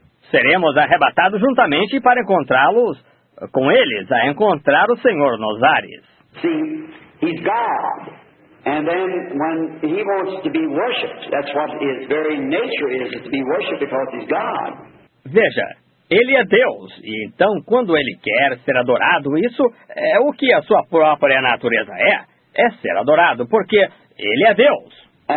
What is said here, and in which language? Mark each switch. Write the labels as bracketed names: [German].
[Portuguese] Seremos arrebatados juntamente para encontrá-los com eles, a encontrar o Senhor nos ares. [English] See, He's God. And then when He wants to be worshipped, that's what His very nature is to be worshipped because He's God. [Portuguese] Veja. Ele é Deus, e então, quando Ele quer ser adorado, isso é o que a sua própria natureza é. É ser adorado, porque Ele é Deus.